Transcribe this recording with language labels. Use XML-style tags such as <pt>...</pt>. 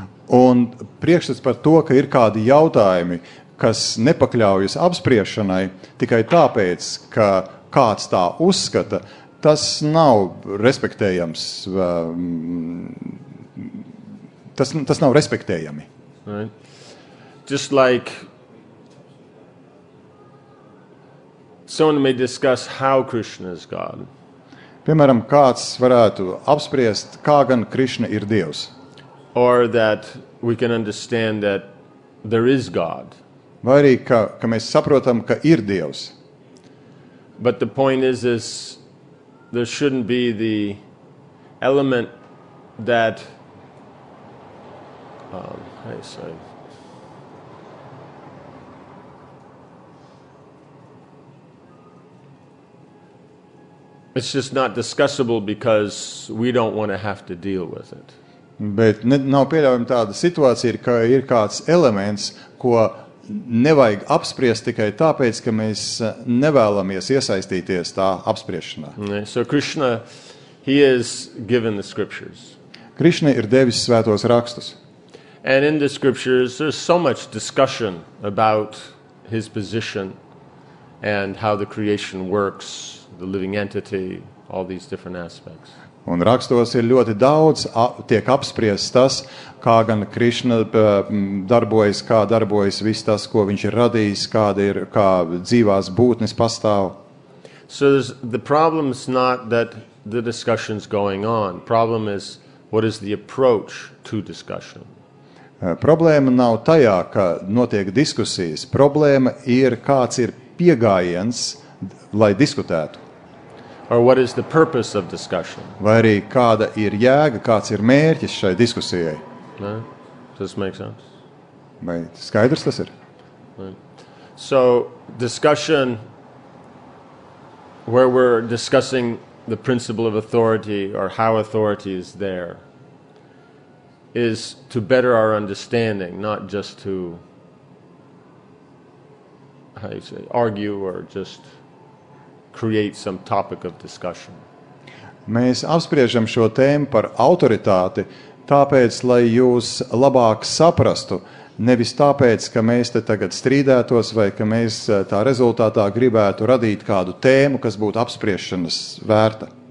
<lv>Un priekšstats par to, ka ir kādi jautājumi, kas nepakļaujas apspriešanai tikai tāpēc, ka kāds tā uzskata, tas nav respektējams. Tas nav respektējami.</lv> <en>Right. Just like someone may discuss how Krishna is God.</en> <lv>Piemēram, kāds varētu apspriest, kā gan Krishna ir Dievs.</lv> <en>Or that we can understand that there is God.</en> <lv>Vai arī, ka mēs saprotam, ka ir Dievs.</lv> <en>But the point is there shouldn't be the element that it's just not discussable because we don't want to have to deal with it.</en> <lv>Bet nav pieļaujama tāda situācija, ka ir kāds elements, ko nevajag apspriest tikai tāpēc, ka mēs nevēlamies iesaistīties tā apspriešanā.</lv> <en>So Krishna, he is given the scriptures.</en> <lv>Krishna ir devis svētos rakstus.</lv> <en>And in the scriptures there's so much discussion about his position and how the creation works, the living entity, all these different aspects.</en> <lv>Un rakstos ir ļoti daudz, tiek apspriests tas, kā gan Krišna darbojas, kā darbojas viss tas, ko viņš ir radījis, kāda ir, kā dzīvās būtnes pastāv.</lv> <en>So the problem is not that the discussion's going on. Problem is, what is the approach to discussion?</en> <lv>Problēma nav tajā, ka notiek diskusijas. Problēma ir, kāds ir piegājiens, lai diskutētu.</lv> <en>Or what is the purpose of discussion?</en> <lv>Vai arī kāda ir jēga, kāds ir mērķis šai diskusijai?</lv> <en>No, does this make sense?</en> <lv>Vai skaidrs tas ir?</lv> <en>Right. So, discussion, where we're discussing the principle of authority or how authority is there, is to better our understanding, not just to argue or just create some topic of discussion.</en> <lv>Mēs apspriežam šo tēmu par autoritāti, tāpēc, lai jūs labāk saprastu, nevis tāpēc, ka mēs te tagad strīdētos vai ka mēs tā rezultātā gribētu radīt kādu tēmu, kas būtu apspriešanas vērta.</lv>